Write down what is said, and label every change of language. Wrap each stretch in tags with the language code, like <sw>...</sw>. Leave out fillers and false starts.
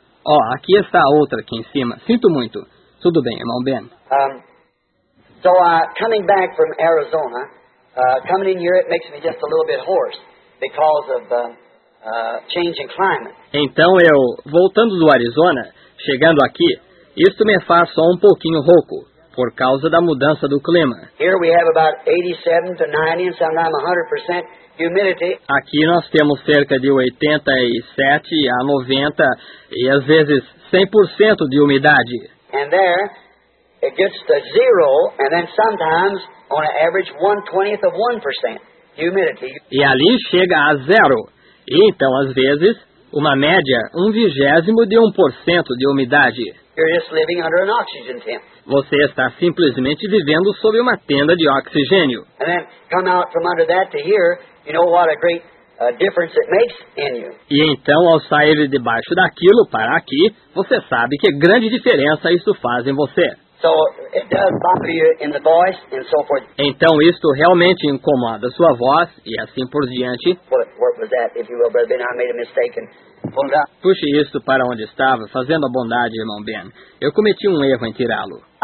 <pt>Ó, aqui está a outra aqui em cima. Sinto muito. Tudo bem, irmão Ben.</pt> <en>Coming back from Arizona, coming in here, it makes me just a little bit hoarse because of the change in climate.</en> <pt>Então eu, voltando do Arizona, chegando aqui, isso me faz só um pouquinho rouco, por causa da mudança do clima.</pt> <en>Here we have about 87 to 90, sometimes 100%.</en> <pt>Aqui nós temos cerca de 87 a 90 e às vezes 100% de umidade.</pt> <en>And there it gets to zero and then sometimes on an average 1/20 of 1% humidity.</en> <pt>E ali chega a zero. E então às vezes uma média 1/20 de 1% de umidade.</pt> <en>You're just living under an oxygen tent.</en> <pt>Você está simplesmente vivendo sob uma tenda de oxigênio.</pt> <en>And then come out from under that to here. You know what a great difference it makes in you.</en> <pt>E então, ao sair debaixo daquilo para aqui, você sabe que grande diferença isso faz em você.</pt> <en>So it does bother you in the voice and so forth.</en> <pt>Então, isto realmente incomoda a sua voz e assim por diante.</pt> <en>What was that, if you will, Brother Ben? I made a mistake.</en> <pt>Puxe isso para onde estava, fazendo a bondade, irmão Ben. Eu cometi um erro em tirá-lo.</pt>